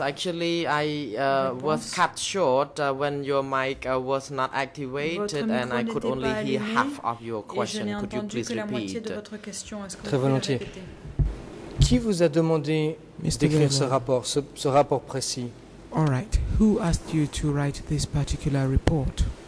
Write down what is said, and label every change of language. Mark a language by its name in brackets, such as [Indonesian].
[English] Actually, I was cut short when your mic was not activated and I could only hear half of your question. Could you please repeat? [French] Très volontiers. Qui vous a demandé d'écrire ce rapport, ce rapport précis? [English] All right. Who asked you to write this particular report?